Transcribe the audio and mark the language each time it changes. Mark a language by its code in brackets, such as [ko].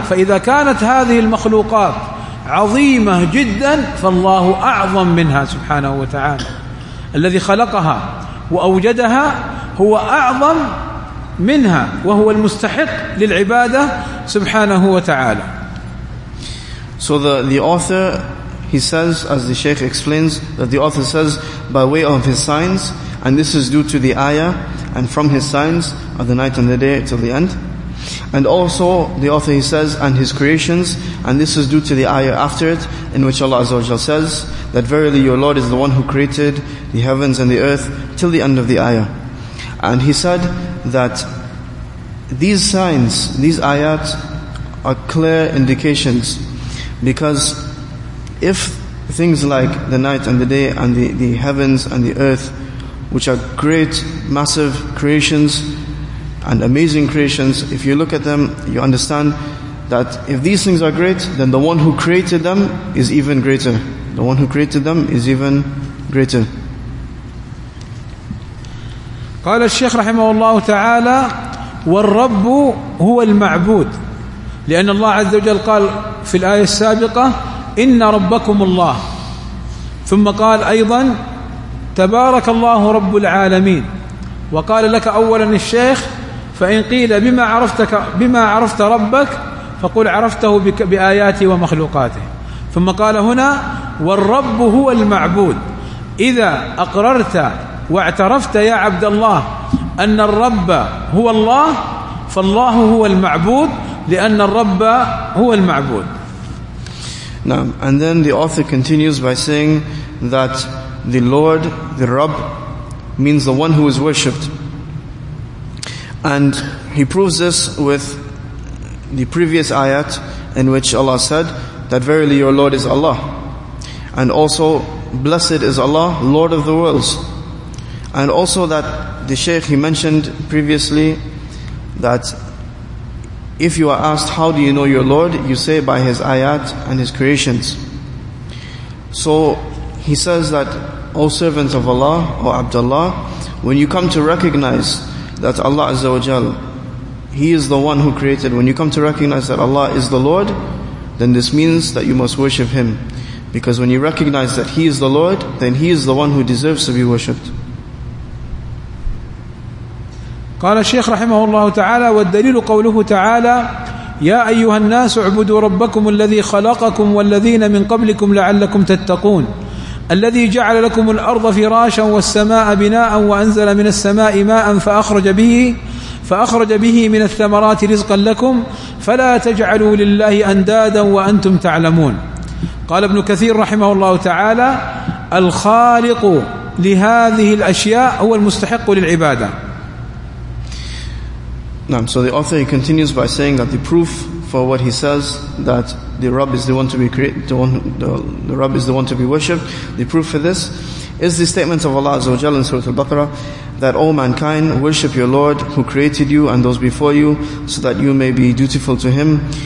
[ar] فإذا كانت هذه المخلوقات عظيمة جدا فالله أعظم منها سبحانه وتعالى، الذي خلقها وأوجدها هو أعظم منها، وهو المستحق للعبادة سبحانه وتعالى. [en] So the author, he says, as the Shaykh explains, that the author says, by way of his signs, and this is due to the ayah, and from his signs are the night and the day till the end. And also the author, he says, and his creations, and this is due to the ayah after it, in which Allah Azza wa Jalla says that verily your Lord is the one who created the heavens and the earth till the end of the ayah. And he said that these signs, these ayat, are clear indications, because if things like the night and the day and the heavens and the earth, which are great, massive creations and amazing creations, if you look at them, you understand that if these things are great, then the one who created them is even greater. The one who created them is even greater. [ar] قال الشيخ رحمه الله تعالى والرب هو المعبود، لأن الله عز وجل قال في الآية السابقة إن ربكم الله، ثم قال أيضا تبارك الله رب العالمين. وقال لك أولا الشيخ فإن قيل بما عرفت ربك فقل عرفته بآياته ومخلوقاته، ثم قال هنا والرب هو المعبود. إذا أقررت واعترفت يا عبد الله أن الرب هو الله فالله هو المعبود، لأن الرب هو المعبود. [en] Now, and then the author continues by saying that the Lord, the Rabb, means the one who is worshipped. And he proves this with the previous ayat in which Allah said that verily your Lord is Allah. And also blessed is Allah, Lord of the worlds. And also that the Shaykh, he mentioned previously that if you are asked, how do you know your Lord? You say by his ayat and his creations. So he says that, O servants of Allah, O Abdullah, when you come to recognize that Allah Azza wa Jal, he is the one who created, when you come to recognize that Allah is the Lord, then this means that you must worship him. Because when you recognize that he is the Lord, then he is the one who deserves to be worshipped. [ar] قال الشيخ رحمه الله تعالى والدليل قوله تعالى يا أيها الناس اعبدوا ربكم الذي خلقكم والذين من قبلكم لعلكم تتقون الذي جعل لكم الأرض فراشا والسماء بناء وأنزل من السماء ماء فأخرج به من الثمرات رزقا لكم فلا تجعلوا لله أندادا وأنتم تعلمون. قال ابن كثير رحمه الله تعالى الخالق لهذه الأشياء هو المستحق للعبادة. [en] So the author, he continues by saying that the proof for what he says that the Rabb is the one to be created, the Rabb is the one to be worshipped, the proof for this is the statement of Allah Azza wa Jalla in Surah Al-Baqarah that, O mankind, worship your Lord who created you and those before you so that you may be dutiful to him.